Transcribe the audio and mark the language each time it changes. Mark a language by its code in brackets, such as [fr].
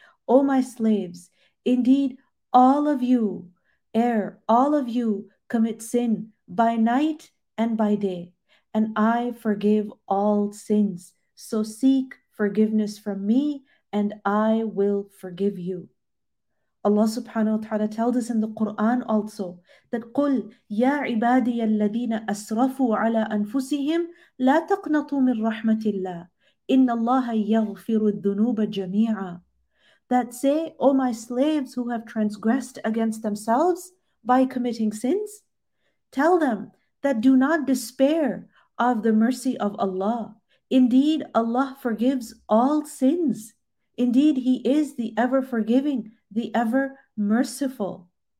[en] O my slaves, indeed all of you err, all of you commit sin by night and by day, and I forgive all sins. So seek forgiveness from me, and I will forgive you. Allah subhanahu wa ta'ala tells us in the Quran also that [ar] قُلْ يَا عِبَادِيَ الَّذِينَ أَسْرَفُوا عَلَىٰ أَنفُسِهِمْ لَا تَقْنَطُوا مِنْ رَحْمَةِ اللَّهِ إِنَّ اللَّهَ يَغْفِرُ الذُّنُوبَ جَمِيعًا. [en] That say, O my slaves who have transgressed against themselves by committing sins, tell them that do not despair of the mercy of Allah. Indeed, Allah forgives all sins. Indeed, He is the ever-forgiving, the ever-merciful.